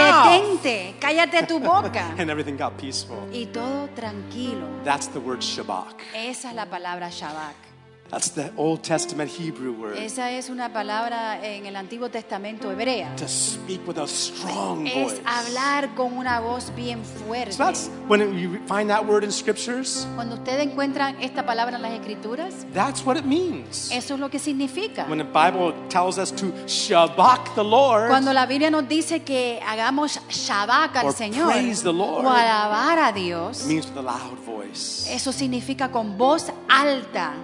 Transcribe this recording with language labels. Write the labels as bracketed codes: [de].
[en] Mouth." [es] "Detente." "Cállate tu boca." [en] And everything got peaceful. [es] Y todo tranquilo. [en] That's the word Shabbat. [es] Esa es la palabra Shabbat. [en] That's the Old Testament Hebrew word. [es] Esa es una palabra en el Antiguo Testamento hebrea. [en] To speak with a strong [es] es [en] voice. [es] Es hablar con una voz bien fuerte. [en] So that's when you find that word in scriptures. [es] Cuando ustedes encuentran esta palabra en las escrituras. [en] That's what it means. [es] Eso es lo que significa. [en] When the Bible tells us to shabak the Lord. [es] Cuando la Biblia nos dice que hagamos shabak al Señor. [en] Or praise the Lord. [es] O alabar a Dios. [en] It means with a loud voice. [es] Eso significa con voz alta.